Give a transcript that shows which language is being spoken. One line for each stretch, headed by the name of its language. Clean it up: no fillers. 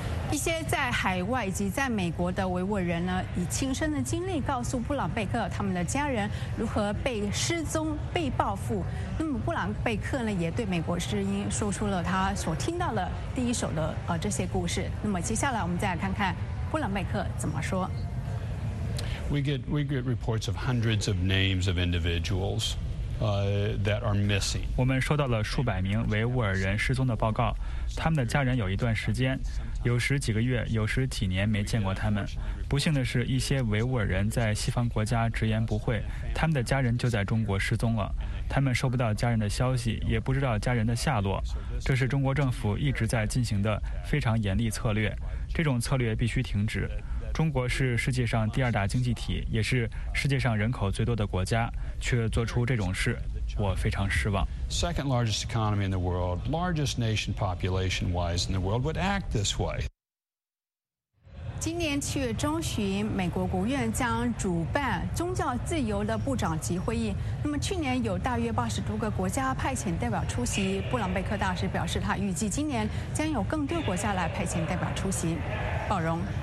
Chinese: 一些在海外以及在美国的维吾尔人呢，以亲身的经历告诉布朗贝克他们的家人如何被失踪、被报复。那么布朗贝克呢，也对美国之音说出了他所听到的第一手的这些故事。那么接下来我们再来看看布朗贝克怎么说。
English: We get reports of hundreds of names of individuals. That are missing.
Chinese: 我们收到了数百名维吾尔人失踪的报告，他们的家人有一段时间，有时几个月，有时几年没见过他们。不幸的是，一些维吾尔人在西方国家直言不讳，他们的家人就在中国失踪了，他们收不到家人的消息，也不知道家人的下落。这是中国政府一直在进行的非常严厉策略，这种策略必须停止。中国是世界上第二大经济体，也是世界上人口最多的国家，却做出这种事，我非常失望。
English: Second largest economy in the world, largest nation population wise in the world, would act this way.
Chinese: 今年7月中旬，美国国务院将主办宗教自由的部长级会议。那么去年有大约80多个国家派遣代表出席。布朗贝克大使表示，他预计今年将有更多国家来派遣代表出席。宝荣。